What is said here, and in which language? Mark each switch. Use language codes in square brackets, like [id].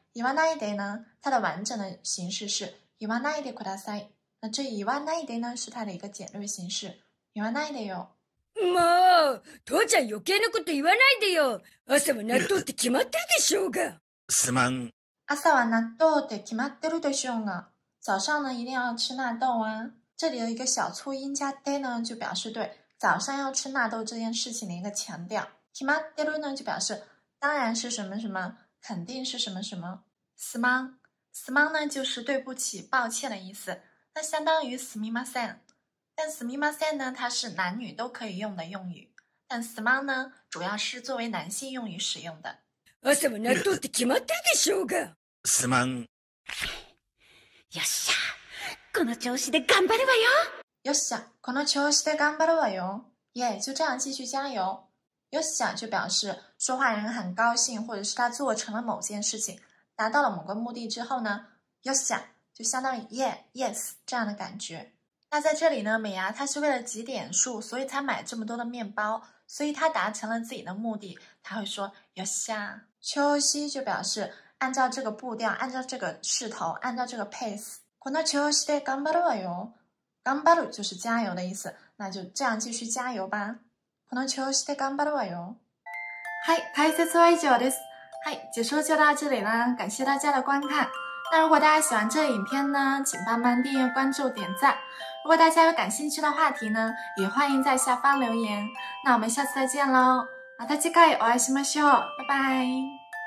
[zh] 言わないで呢，它的完整的形式是言わないでください。那这言わないで呢是它的一个简略形式。 [ja] 言わないでよ。もう父ちゃん余計なこと言わないでよ。朝は納豆って決まってるでしょうが。すまん。朝は納豆って決まってるでしょうが。 [zh] 早上呢一定要吃纳豆啊。这里的一个小粗音加 day 呢就表示对早上要吃纳豆这件事情的一个强调。決まってる呢就表示当然是什么什么，肯定是什么什么。すまん。すまん呢就是对不起抱歉的意思。那相当于すみません。但すみません呢它是男女都可以用的用语。但すまん呢主要是作为男性用语使用的。 [ja] 朝は納豆って決まってるでしょうが。すまん。よっしゃ、この調子で頑張るわよ。よっしゃ、この調子で頑張るわよ。 [zh] 耶、yeah, 就这样继续加油。よっしゃ就表示说话人很高兴，或者是他做成了某件事情，达到了某个目的之后呢，よっしゃ就相当于 yeah, yes 这样的感觉。那在这里呢，美牙他是为了集点数，所以才买这么多的面包，所以他达成了自己的目的，他会说よっしゃ。調子就表示按照这个步调，按照这个势头，按照这个 pace。この調子で頑張るわよ。頑張る就是加油的意思，那就这样继续加油吧。 [ja] この調子で頑張るわよ。はい、解説は以上です。 [zh] はい、解説就到这里啦，感谢大家的观看。那如果大家喜欢这个影片呢，请帮忙订阅、关注、点赞。如果大家有感兴趣的话题呢，也欢迎在下方留言。那我们下次再见喽， [ja] また次回お会いしましょう， [zh] 拜拜。